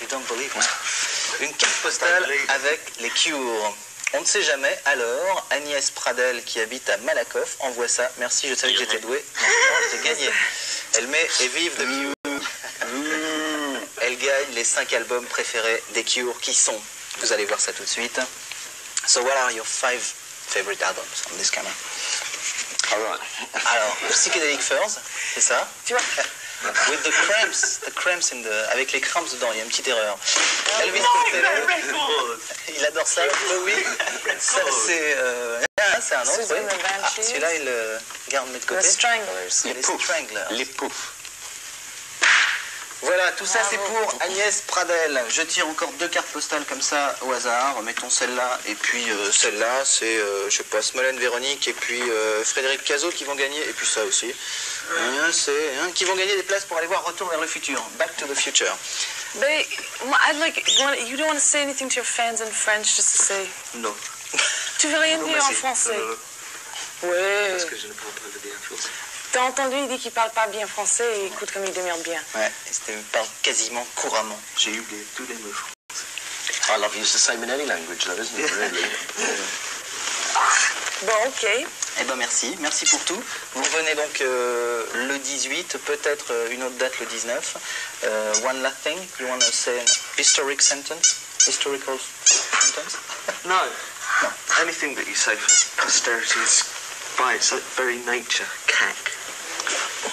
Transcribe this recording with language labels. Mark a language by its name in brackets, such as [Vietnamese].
[English] You don't believe me. [French] Une carte postale avec les Cure. On ne sait jamais, alors, Agnès Pradel, qui habite à Malakoff, envoie ça. Merci, je savais que j'étais doué. J'ai gagné. Elle met « Et vive de Mew ». Elle gagne les 5 albums préférés des Cure qui sont. Vous allez voir ça tout de suite. [English] So what are your 5 favorite albums on this camera? All right. [French] Alors, Psychedelic Furs, c'est ça? Tu vois? [English] With the cramps in the, [French] avec les cramps dedans, il y a une petite erreur. Elvis Costello, il adore ça. Oui, ça c'est un autre. Oui. Ah, celui-là il le garde de côté. Les stranglers. Les poufs. Voilà, tout ça c'est pour Agnès Pradel. Je tire encore 2 cartes postales comme ça au hasard. Mettons celle-là et puis celle-là. C'est, je sais pas, Smolène Véronique et puis Frédéric Cazot qui vont gagner. Et puis ça aussi. Rien, c'est. Hein, qui vont gagner des places pour aller voir Retour vers le futur. [English] Back to the future. Mais, I'd like. You don't want to say anything to your fans in French just to say. [French] Non. Tu veux rien dire en français? Non. Ouais. Parce que je ne parle pas de bien français. T'as entendu, il dit qu'il parle pas bien français et écoute comme il demeure bien. Ouais, il parle quasiment couramment. J'ai oublié tous les mots français. [English] I love you. It's the same in any language, though, isn't it? Really? [French] Bon, ok. Eh ben merci, merci pour tout. Vous venez donc le 18, peut-être une autre date le 19. [English] One last thing, you want to say an historic sentence? Historical sentence? No. Anything that you say for posterity is by its very nature cack.